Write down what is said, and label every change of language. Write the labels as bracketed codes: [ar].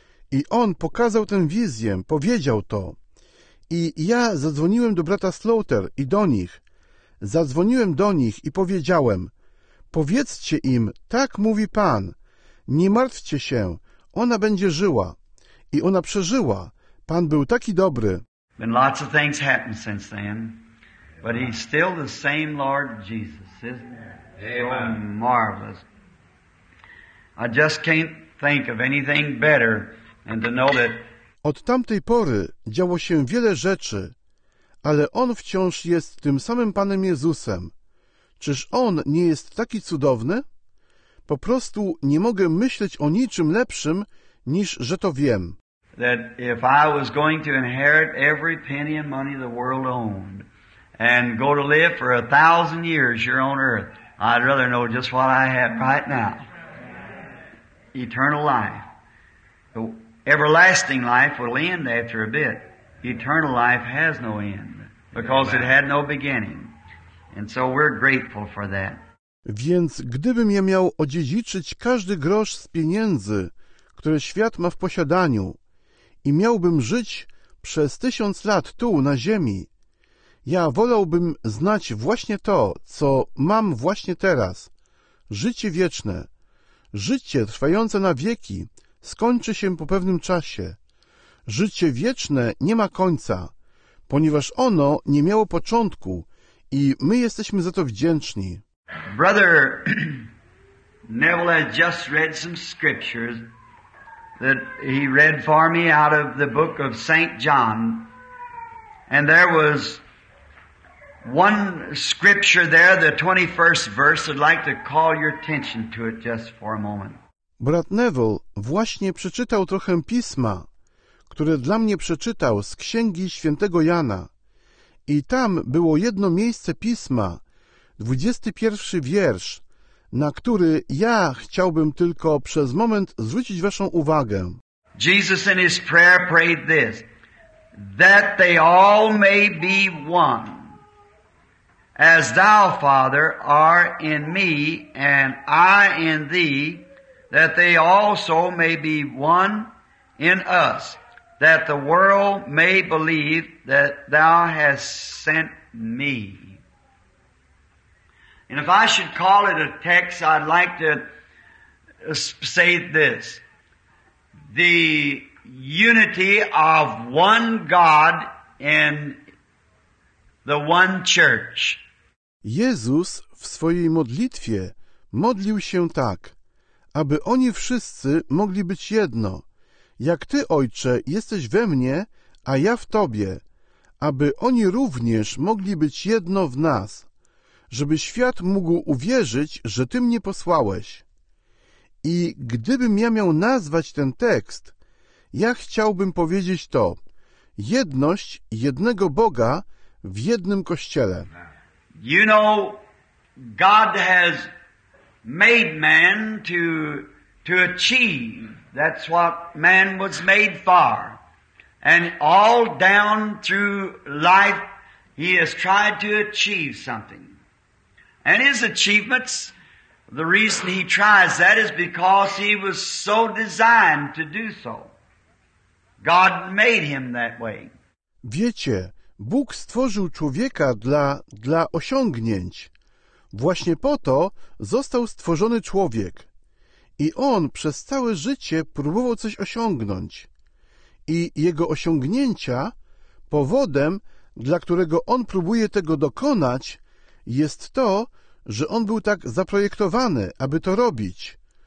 [pl] I On pokazał tę wizję, powiedział to. I ja zadzwoniłem do brata Slaughter i do nich. Zadzwoniłem do nich i powiedziałem, powiedzcie im, tak mówi Pan. Nie martwcie się, ona będzie żyła. I ona przeżyła. Pan był taki dobry. [en] Been lots of things happened since then. But he's still the same Lord Jesus, isn't he? Amen. So marvelous. I just can't think of anything better than to know that... [pl] Od tamtej pory działo się wiele rzeczy, ale On wciąż jest tym samym Panem Jezusem. Czyż On nie jest taki cudowny? Po prostu nie mogę myśleć o niczym lepszym, niż że to wiem. [en] That if I was going to inherit every penny of money the world owned and go to live for 1,000 years here on earth, I'd rather know just what I have right now. Eternal life. The everlasting life will end after a bit. Eternal life has no end because it had no beginning. And so we're grateful for that. [pl] Więc gdybym ja miał odziedziczyć każdy grosz z pieniędzy, które świat ma w posiadaniu i miałbym żyć przez 1000 lat tu, na ziemi, ja wolałbym znać właśnie to, co mam właśnie teraz. Życie wieczne, życie trwające na wieki, skończy się po pewnym czasie. Życie wieczne nie ma końca, ponieważ ono nie miało początku i my jesteśmy za to wdzięczni. [en] Brother Neville had just read some scriptures that he read for me out of the book of St. John. And there was one scripture there, the 21st verse. I'd like to call your attention to it just for a moment. [pl] Brat Neville właśnie przeczytał trochę pisma, które dla mnie przeczytał z Księgi Świętego Jana. I tam było jedno miejsce pisma, 21 wiersz, na który ja chciałbym tylko przez moment zwrócić waszą uwagę. [en] Jesus in his prayer prayed this, that they all may be one, as thou, Father, are in me, and I in thee, that they also may be one in us, that the world may believe that thou hast sent me. And if I should call it a text, I'd like to say this. The unity of one God in the one church. [pl] Jezus w swojej modlitwie modlił się tak, aby oni wszyscy mogli być jedno, jak Ty, Ojcze, jesteś we mnie, a ja w Tobie, aby oni również mogli być jedno w nas, żeby świat mógł uwierzyć, że Ty mnie posłałeś. I gdybym ja miał nazwać ten tekst, ja chciałbym powiedzieć to: jedność jednego Boga w jednym Kościele. [en] You know, God has made man to achieve. That's what man was made for. And all down through life, he has tried to achieve something. And his achievements, the reason he tries that is because he was so designed to do so. God made him that way. [pl] Wiecie, Bóg stworzył człowieka dla osiągnięć. Właśnie po to został stworzony człowiek. I on przez całe życie próbował coś osiągnąć. I jego osiągnięcia, powodem, dla którego on próbuje tego dokonać, jest to, że on był tak zaprojektowany, aby to robić.